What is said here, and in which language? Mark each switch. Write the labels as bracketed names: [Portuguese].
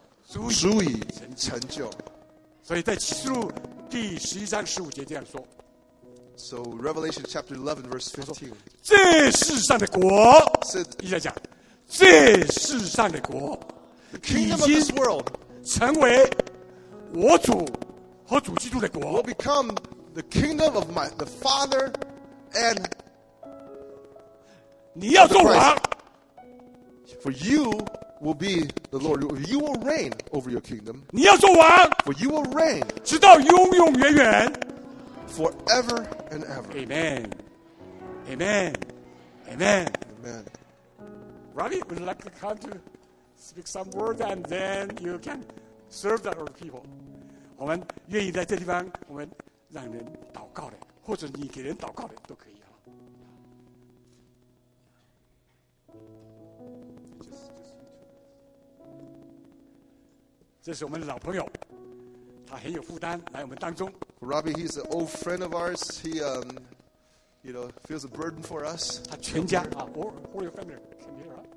[Chinese] 足以成就，所以在启示录第十一章十五节这样说。 [English] So Revelation chapter 11 verse 15. [Chinese] 这世上的国，一下讲，这世上的国，已经成为我主和主基督的国。 [English] Will become the kingdom of the Father and. [Chinese] 你要做王。 [English] For you will be the Lord. You will reign over your kingdom. [Chinese] 你要做王。 [English] For you will reign. [Chinese] 直到永永远远。 [English] Forever and ever. Amen. Amen. Amen. Amen. Robbie, would you like to come to speak some words and then you can serve the other people? [Chinese] 我们愿意在这地方，我们让人祷告的，或者你给人祷告的都可以啊。这是我们的老朋友，他很有负担来我们当中。 [English] Robbie, he's an old friend of ours. He, you know, feels a burden for us. His whole family, all your family came here.